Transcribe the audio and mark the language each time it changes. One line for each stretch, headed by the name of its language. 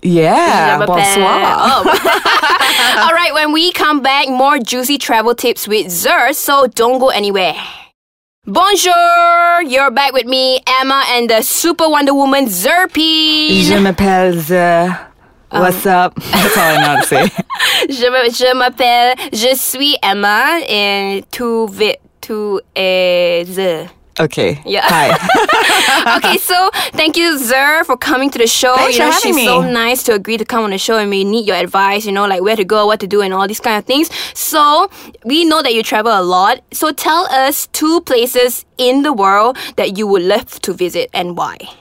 English: Yeah, bonsoir. All right, when we come back, more juicy travel tips with Zher, so don't go anywhere. Bonjour! You're back with me, Emma, and the Super Wonder Woman, Zherpine. Je m'appelle Zher. What's up? That's all I know how to say.
French: Je m'appelle, je suis Emma, et tu vite, tu es Zher.
English: Okay. Yeah. Hi. Okay, so thank you, Zher, for coming to the show. Thanks for having me. So nice to agree to come on the show, and we need your advice, you know, like where to go, what to do, and all these kind of things. So we know that you travel a lot. So tell us two places in the world that you would love to visit and why.